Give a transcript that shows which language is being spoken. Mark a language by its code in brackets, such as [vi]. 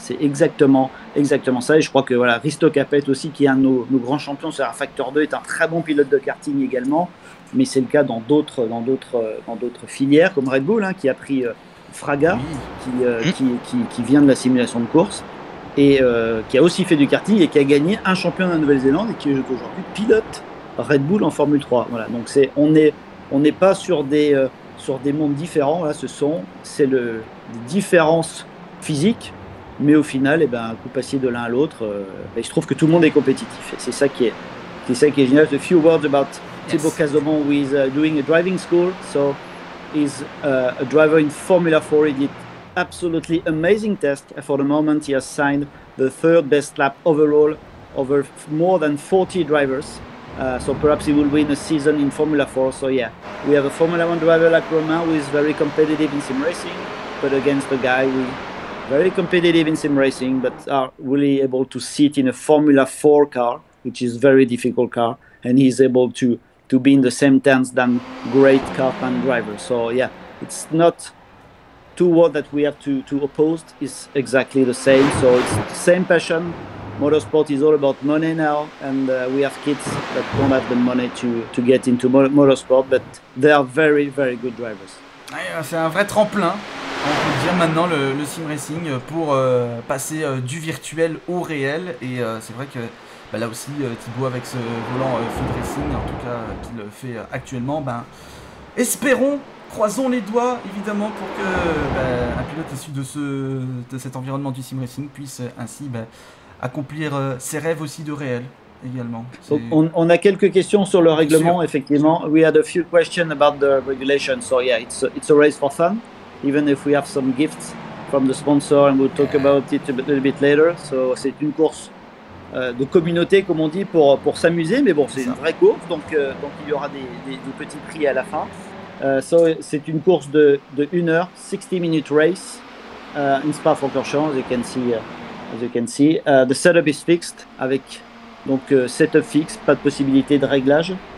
[fr] C'est exactement ça. Et je crois que voilà, Risto Capet aussi, qui est un de nos grands champions sur un facteur 2, est un très bon pilote de karting également, mais c'est le cas dans d'autres filières comme Red Bull, hein, qui a pris Fraga, qui vient de la simulation de course et qui a aussi fait du karting et qui a gagné un championnat de Nouvelle-Zélande et qui est aujourd'hui pilote Red Bull en Formule 3. Voilà. Donc on n'est pas sur des mondes différents. Là, c'est des différences physiques, mais au final, et ben, coup passé de l'un à l'autre, il se trouve que tout le monde est compétitif. Et c'est ça qui est génial. [en] A few words about Thibaut Casaubon, who is doing a driving school, so he's a driver in Formula 4. He did absolutely amazing test. For the moment, he has signed the third best lap overall over more than 40 drivers. So perhaps he will win a season in Formula 4. So yeah, we have a Formula 1 driver like Romain who is very competitive in sim racing, but against a guy who is very competitive in sim racing, but are really able to sit in a Formula 4 car, which is a very difficult car, and he's able to be in the same tense than great car fan drivers. So yeah, it's not two words that we have to oppose. It's exactly the same. So it's the same passion. Motorsport is all about money now, and we have kids that don't have the money to get into motorsport, but they are very, very good drivers. [fr] C'est un vrai tremplin, on peut dire maintenant, le sim racing, pour passer du virtuel au réel. Et c'est vrai que là aussi, Thibaut, avec ce volant Field Racing, en tout cas, qu'il fait actuellement, espérons, croisons les doigts, évidemment, pour que un pilote issu de cet environnement du sim racing puisse ainsi accomplir ses rêves aussi de réel également. Donc on a quelques questions sur le règlement, effectivement. [en] We had a few questions about the regulation. So yeah, it's a race for fun, even if we have some gifts from the sponsor and we'll talk about it a little bit later. [fr] So c'est une course de communauté, comme on dit, pour s'amuser, mais bon, c'est une vraie course, donc il y aura des petits prix à la fin. [en] So [fr] c'est une course de 1 heure, [en] 60-minute race in Spa-Francorchamps, as you can see. As you can see, the setup is fixed, [fr] avec donc setup fixe, pas de possibilité de réglage.